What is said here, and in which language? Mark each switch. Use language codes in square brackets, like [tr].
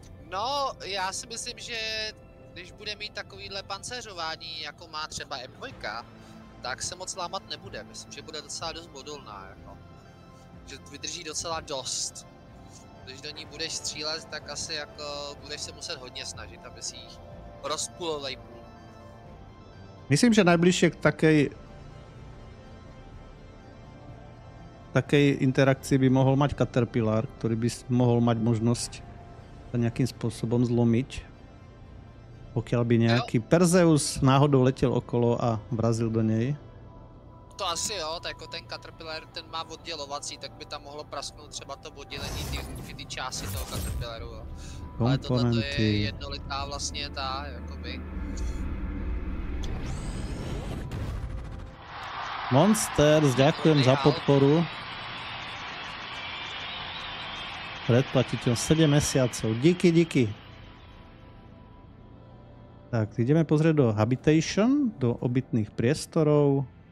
[cs] No, ja si myslím, že když bude mít takovýhle pancéřování, ako má třeba M2, [sk] tak sa moc lámať nebude. [cs] Myslím, že bude docela dosť modulná, jako. Že vydrží docela dost. Když do ní budeš střílet, tak asi jako budeš se muset hodně snažit, aby si jich rozpulovej půl. [sk] Myslím, že najbližší k takej interakci by mohl mať Caterpillar, který by mohl mať možnost nějakým způsobem zlomit. [cs] Pokud by nějaký Perseus náhodou letěl okolo a vrazil do něj. To asi jo, tak jako ten Caterpillar, ten má oddělovací, tak by tam mohlo prasknout třeba to oddělení ty části toho Caterpillaru, jo. Komponenty. Ale tohle to je jednolitá vlastně ta, jakoby. Monsters, děkujem za podporu. [sk] Predplatiteľ 7 mesiacov, díky. Tak, ideme pozrieť do Habitation, do obytných priestorov.